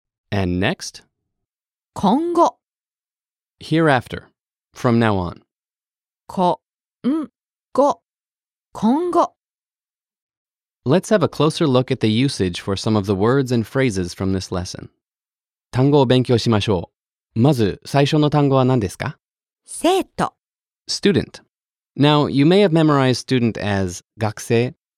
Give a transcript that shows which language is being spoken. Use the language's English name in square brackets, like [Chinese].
[English] And next [Japanese] 今後 [English] Hereafter From now on [Japanese] 今後今後 [English] Let's have a closer look at the usage for some of the words and phrases from this lesson. [Japanese] 単語を勉強しましょう。まず最初の単語は何ですか? 生徒。 [English] Student. Now, you may have memorized student as 学生.